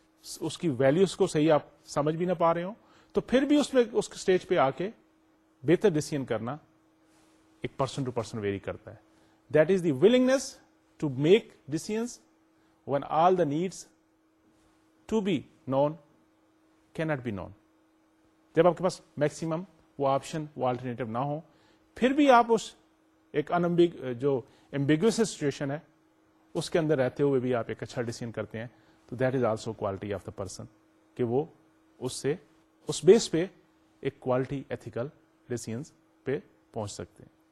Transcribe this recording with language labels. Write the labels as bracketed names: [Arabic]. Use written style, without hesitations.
[Urdu] اس کی ویلیوز کو صحیح آپ سمجھ بھی نہ پا رہے ہوں تو پھر بھی اس میں اس سٹیج پہ آ کے بہتر ڈیسیژن کرنا ایک پرسن ٹو پرسن ویری کرتا ہے. [English] That is the willingness to make decisions when all the needs to be known can not be known. [Urdu] جب آپ کے پاس میکسیمم وہ آپشن وہ آلٹرنیٹو نہ ہو پھر بھی آپ اس ایک انمبگ جو ایمبیگوس سچویشن ہے اس کے اندر رہتے ہوئے بھی آپ ایک اچھا ڈیسیژن کرتے ہیں تو [English] that is also quality of the person [Urdu] کہ وہ اس سے اس بیس پہ ایک کوالٹی ایتھیکل ڈیسیژنس پہ پہنچ سکتے ہیں.